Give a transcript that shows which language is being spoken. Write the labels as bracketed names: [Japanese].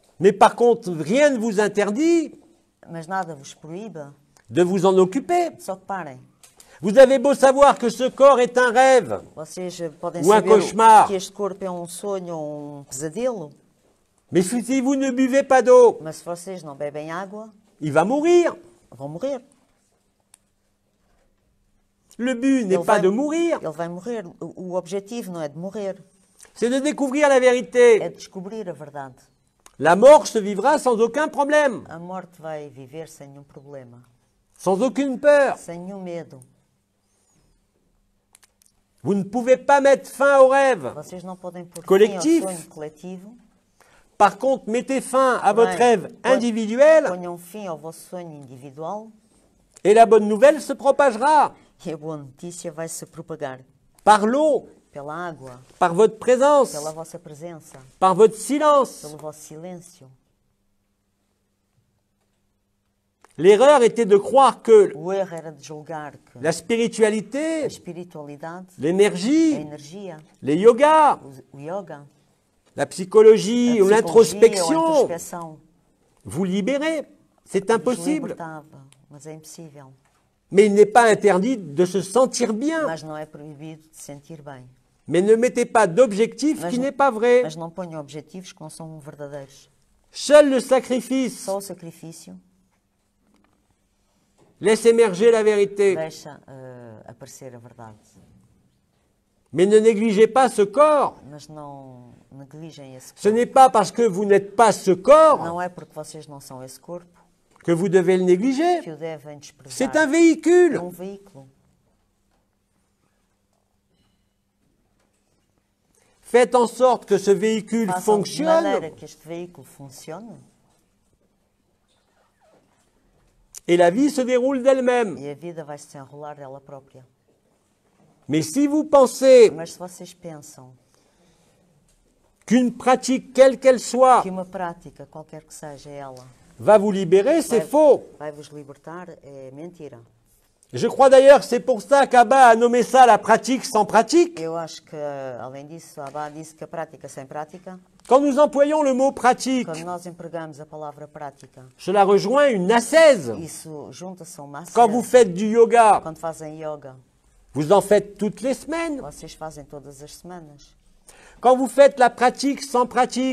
[French] Mais par contre, rien ne vous interdit [Portuguese] Mas nada vos proíbe [French] de vous en occuper. [Portuguese] S'occuparem. [French] Vous avez beau savoir que ce corps est un rêve [Portuguese] Vocês podem [French] ou un [Portuguese] saber [French] cauchemar. [Portuguese] Que este corpo é sonho ou pesadelo. [French] Mais si vous ne buvez pas d'eau, [Portuguese] Mas se vocês não bebem água, [French] il va mourir. [Portuguese] Vão morrer. [French] Le but n'est pas de mourir. Il va mourir. L'objectif n'est pas de mourir. C'est de découvrir la vérité. [Portuguese] É descobrir a verdade. [French] La mort se vivra sans aucun problème. [Portuguese] A morte vai viver sem nenhum problema. [French] Sans aucune peur. [Portuguese] Sem nenhum medo. [French] Vous ne pouvez pas mettre fin au rêve. [Portuguese] Vocês não podem pôr [French] collectif. [Portuguese] Fim ao sonho coletivo. [French] Par contre, mettez fin à votre rêve individuel. [Portuguese] Ponham fim ao vosso sonho individual. [French] Et la bonne nouvelle se propagera. [Portuguese] E a boa notícia vai se propagar. [French] Par l'eau. [Portuguese] Pela água, [French] par votre présence, [Portuguese] pela vossa presença, [French] par votre silence, [Portuguese] pelo vosso silêncio. [French] L'erreur était de croire que, [Portuguese] o erro era de julgar que [French] la spiritualité, [Portuguese] a espiritualidade, [French] l'énergie, [Portuguese] a energia, [French] les yogas, [Portuguese] o yoga, [French] la psychologie ou l'introspection, [Portuguese] ou a introspeção, [French] vous libérez. C'est impossible. [Portuguese] Mas é impossível. [French] Mais il n'est pas interdit de se sentir bien. [Portuguese] Mas não é proibido de sentir bem. [French] Mais ne mettez pas d'objectifs qui n'est pas vrai. [Portuguese] Mas não ponham objetivos que não são verdadeiros. [French] Seul le sacrifice. [Portuguese] Só o sacrifício. [French] Laisse émerger la vérité. [Portuguese] Deixa aparecer a verdade. [French] Mais ne négligez pas ce corps. [Portuguese] Mas não negligem esse corpo. [French] Ce n'est pas parce que vous n'êtes pas ce corps. [Portuguese] Não é porque vocês não são esse corpo. [French] Que vous devez le négliger. C'est un véhicule. [Portuguese] Um veículo. [French] Faites en sorte que ce véhicule [Portuguese] façam [French] fonctionne. [Portuguese] De maneira que este veículo funcione. [French] Et la vie se déroule d'elle-même. [Portuguese] E a vida vai se enrolar dela própria. [French] Mais si vous pensez. [Portuguese] Mas se vocês pensam. [French] Qu'une pratique, quelle qu'elle soit. [Portuguese] Que uma prática, qualquer que seja ela. [French] Va vous libérer, c'est faux. [Portuguese] Vai vos libertar, é mentira. [French] Je crois d'ailleurs que c'est pour ça qu'Abba a nommé ça la pratique sans pratique. [Portuguese] Eu acho que, além disso, Abba disse que a prática sem prática. [French] Quand nous employons le mot pratique, [Portuguese] quando nós empregamos a palavra prática, [French] cela rejoint une ascèse. [Portuguese] Isso junta-se a uma ascèse. [French] Quand vous faites du yoga, [Portuguese] quando fazem yoga, [French] vous en faites toutes les semaines. [Portuguese] Vocês fazem todas as semanas. [French] Quand vous faites la pratique sans pratique,